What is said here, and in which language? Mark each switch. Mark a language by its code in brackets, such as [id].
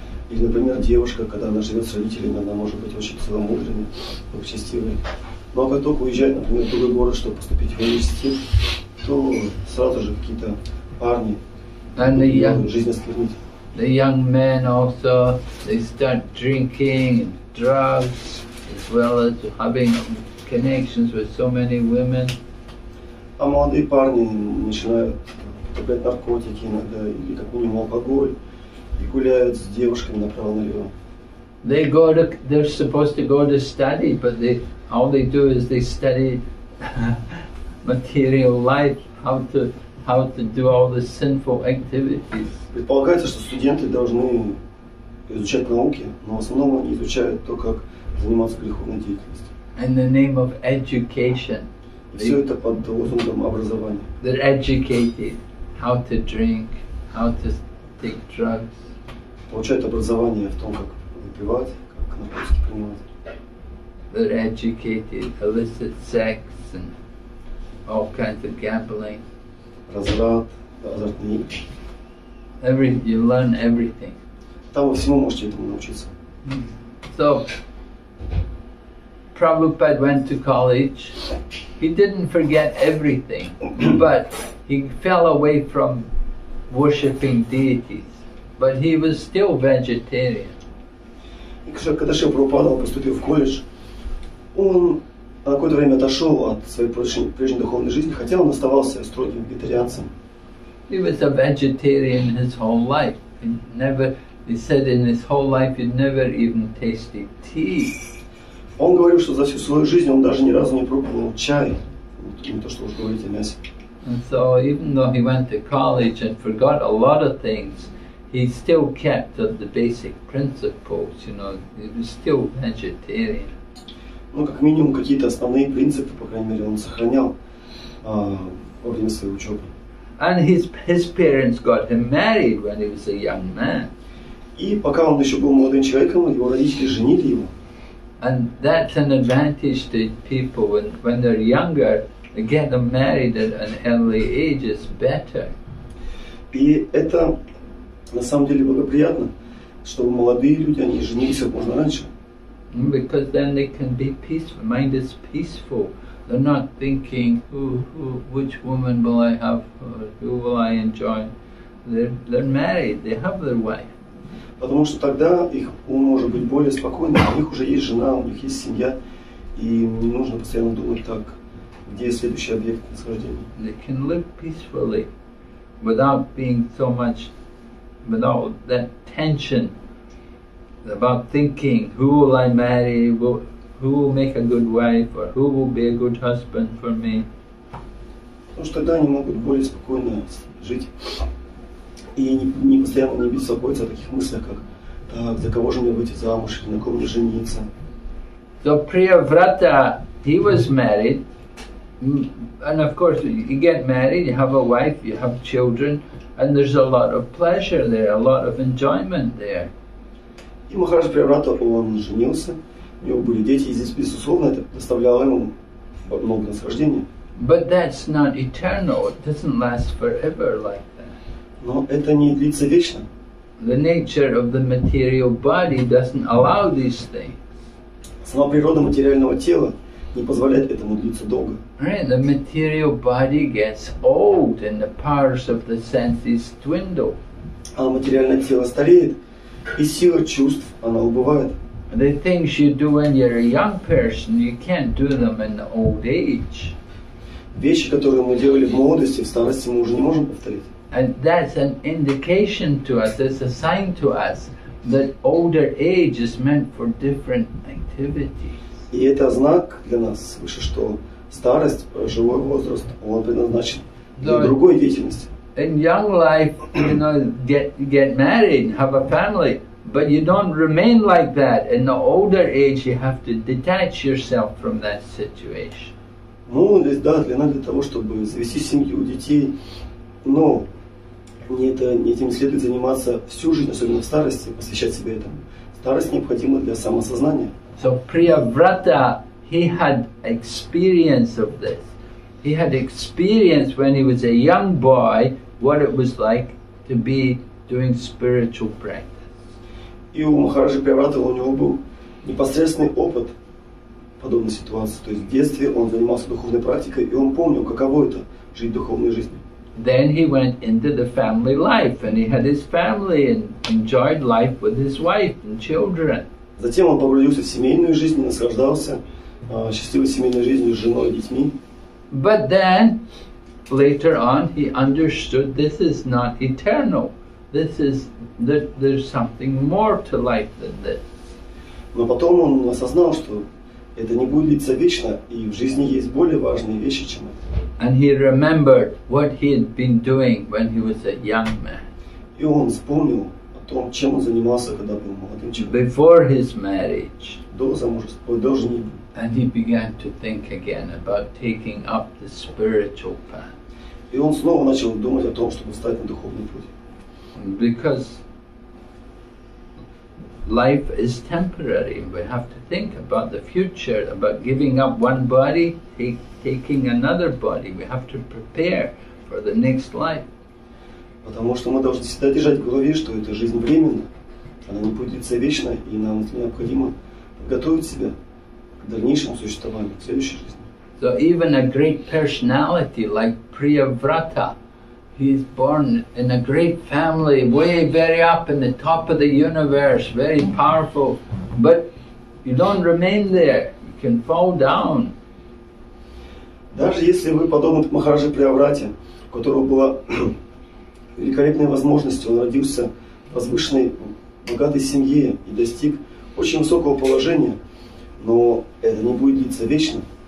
[ru] Или, например, девушка, когда она живет с родителями, она может быть очень целомудренной, благочестивой. Но как только уезжает, например, в другой город, чтобы поступить в университет, то сразу же какие-то парни будут жизнь осквернить. [en] The young men also, they start drinking and drugs, as well as having connections with so many women. [ru] А молодые парни начинают употреблять наркотики иногда, или как минимум алкоголь. И гуляют с девушками направо налево. [en] They're supposed to go to study, but all they do is study material life, how to do all the sinful activities. [ru] Предполагается, что студенты должны изучать науки, но в основном они изучают то, как заниматься греховной деятельностью. [en] In the name of education. [ru] И все это под лозунгом образования. [en] They're educated how to drink, how to take drugs. [ru] Получает образование в том, как выпивать, как наркотики принимать. [en] They're educated, illicit sex and all kinds of gambling. [ru] Разврат, азартные игры. [en] You learn everything. [ru] Там вы всему можете этому научиться. [en] So, Prabhupada went to college. He didn't forget everything, but he fell away from worshipping deities. But he was still vegetarian. [ru] Когда Шри Прабхупада поступил в колледж, он на какое-то время отошел от своей прежней духовной жизни, хотя он оставался строгим вегетарианцем. [en] He was a vegetarian his whole life. He said in his whole life he'd never even tasted tea. [ru] Он говорил, что за всю свою жизнь он даже ни разу не пробовал чай, не то что уж говорить о мясе. [en] And so even though he went to college and forgot a lot of things, he still kept the basic principles, you know, he was still vegetarian. [ru] Ну, как минимум, какие-то основные принципы, по крайней мере, он сохранял во время своей учебы. [en] And his parents got him married when he was a young man. [ru] И пока он еще был молодым человеком, его родители женили его. [en] And that's an advantage to people when they're younger, they get them married at an early age is better. [ru] И это на самом деле благоприятно, чтобы молодые люди, они женились как можно раньше. [en] Because then they can be peaceful, mind is peaceful. They're not thinking, which woman will I have, who will I enjoy. They're married, they have their wife. [ru] Потому что тогда их ум может быть более спокойным, у них уже есть жена, у них есть семья, и не нужно постоянно думать так, где следующий объект наслаждения. [en] They can live peacefully without being so much, without that tension about thinking, who will I marry, who will make a good wife, or who will be a good husband for me. [ru] Потому что тогда они могут более спокойно жить. И не постоянно не беспокоиться о таких мыслях, как так, за кого же мне выйти замуж, на ком мне жениться. [en] So Priyavrata, he was married, and of course you get married, you have a wife, you have children, and there's a lot of pleasure there, a lot of enjoyment there. [ru] И Махарадж Priyavrata, он женился, у него были дети, и здесь безусловно это доставляло ему много наслаждения. [en] But that's not eternal, it doesn't last forever like. [ru] Но это не длится вечно. [en] The nature of the material body doesn't allow these things. [ru] Сама природа материального тела не позволяет этому длиться долго. [en] Right, the material body gets old and the powers of the senses dwindle. [ru] А материальное тело стареет, и сила чувств, она убывает. [en] The things you do when you're a young person, you can't do them in the old age. [ru] Вещи, которые мы делали в молодости, в старости мы уже не можем повторить. [en] And that's an indication to us, that's a sign to us, that older age is meant for different activities. [ru] И это знак для нас свыше, что старость, живой возраст, он предназначен для другой деятельности. [en] In young life, you know, get married, have a family, but you don't remain like that. In the older age, you have to detach yourself from that situation. [ru] Молодость, да, для нас для того, чтобы завести семью, детей, но этим следует заниматься всю жизнь, особенно в старости, посвящать себе этому. Старость необходима для самосознания. [en] So Priyavrata, he had experience of this. He had experience when he was a young boy, what it was like to be doing spiritual practice. [ru] И у Махараджи Приаврата, у него был непосредственный опыт подобной ситуации. То есть в детстве он занимался духовной практикой, и он помнил, каково это жить духовной жизнью. [en] Then he went into the family life, and he had his family and enjoyed life with his wife and children. [ru] Затем он погрузился в семейную жизнь, наслаждался счастливой семейной жизнью с женой и детьми. [en] But then, later on, he understood this is not eternal. This is that there's something more to life than this. [ru] Но потом он осознал, что это не будет длиться вечно, и в жизни есть более важные вещи, чем это. [en] And he remembered what he had been doing when he was a young man. [ru] И он вспомнил о том, чем он занимался, когда был молодым человеком. [en] Before his marriage. [ru] До замужества, до женитьбы. [en] And he began to think again about taking up the spiritual path. [ru] И он снова начал думать о том, чтобы встать на духовный путь. [en] Because life is temporary. We have to think about the future, about giving up one body, taking another body. We have to prepare for the next life. [ru] Потому что мы должны всегда держать в голове, что эта жизнь временна, она не будет длиться вечно, и нам необходимо подготовить себя к дальнейшему существованию, к следующей жизни. [en] So even a great personality like Priyavrata, he's born in a great family, way very up in the top of the universe, very powerful, but you don't remain there, you can fall down. [ru] Даже если вы подобны Махараджи Приаврате, у которого была великолепные возможности, он родился в возвышенной, богатой семье и достиг очень высокого положения, но это не будет длиться вечно.